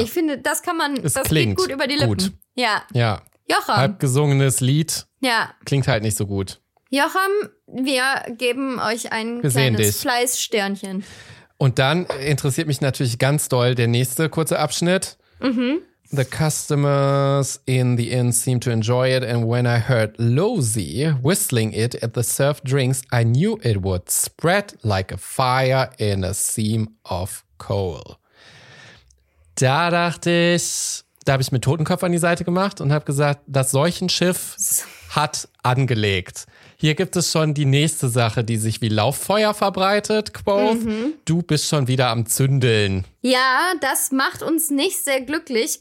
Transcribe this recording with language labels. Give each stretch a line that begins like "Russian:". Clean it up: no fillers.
German: ich finde, das kann man, es das klingt gut über die Lippen. Gut. Ja. Ja. Jocham. Halb gesungenes Lied. Ja. Klingt halt nicht so gut. Jocham, wir geben euch ein kleines Fleißsternchen. Und dann interessiert mich natürlich ganz doll der nächste kurze Abschnitt. Mhm.
English: The customers in the inn seem to enjoy it. And when I heard Lozy whistling it at the served drinks, I knew it would spread like a fire in a seam of coal.
German: Da dachte ich, da habe ich mir Totenkopf an die Seite gemacht und habe gesagt, das Seuchenschiff hat angelegt. Hier gibt es schon die nächste Sache, die sich wie Lauffeuer verbreitet, Quoth. Mhm. Du bist schon wieder am Zündeln. Ja, das macht uns nicht sehr glücklich.